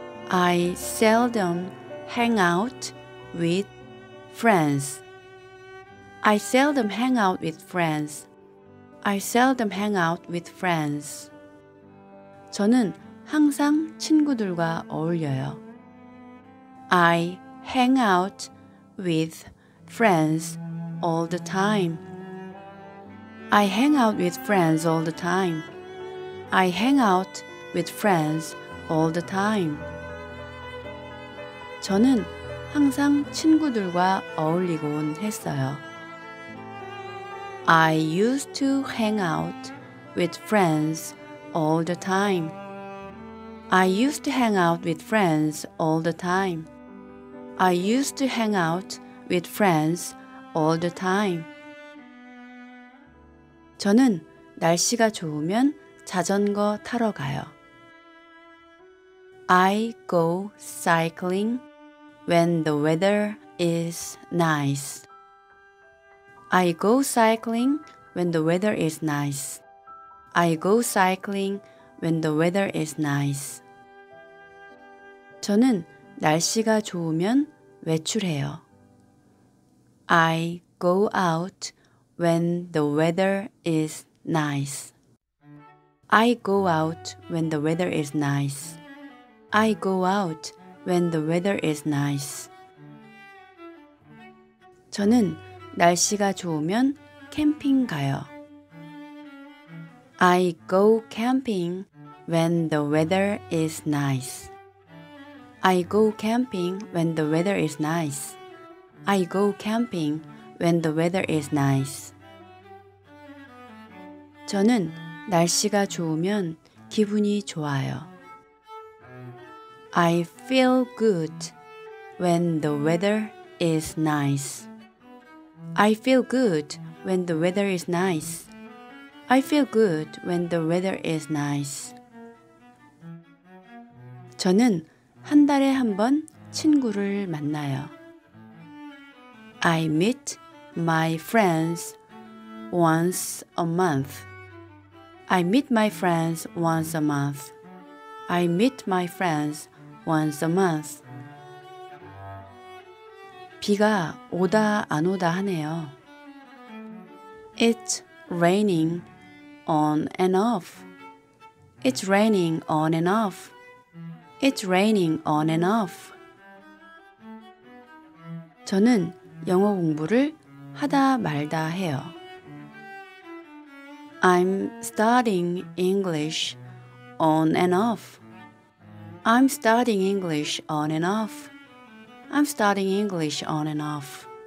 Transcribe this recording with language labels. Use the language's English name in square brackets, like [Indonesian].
[English] I seldom hang out with friends. I seldom hang out with friends. I seldom hang out with friends. [Korean] 저는 항상 친구들과 어울려요. [English] I hang out with friends all the time. I hang out with friends all the time. I hang out with friends all the time. [Korean] 저는 항상 친구들과 어울리곤 했어요. [English] I used to hang out with friends all the time. I used to hang out with friends all the time. I used to hang out with friends all the time. [Korean] 저는 날씨가 좋으면 자전거 타러 가요. [English] I go cycling when the weather is nice. I go cycling when the weather is nice. I go cycling when the weather is nice. [Korean] 저는 날씨가 좋으면 외출해요. [English] I go out when the weather is nice. I go out when the weather is nice. I go out when the weather is nice. [Korean] 저는 날씨가 좋으면 캠핑 가요. [English] I go camping when the weather is nice. I go camping when the weather is nice. I go camping when the weather is nice. [Korean] 저는 날씨가 좋으면 기분이 좋아요. [English] I feel good when the weather is nice. I feel good when the weather is nice. I feel good when the weather is nice. [Korean] 저는 한 달에 한 번 친구를 만나요. [English] I meet my friends once a month. I meet my friends once a month. I meet my friends once a month. [Korean] 비가 오다 안 오다 하네요. [English] It's raining on and off. It's raining on and off. It's raining on and off. [Korean] 저는 영어 공부를 하다 말다 해요. [English] I'm studying English on and off. I'm studying English on and off. I'm studying English on and off.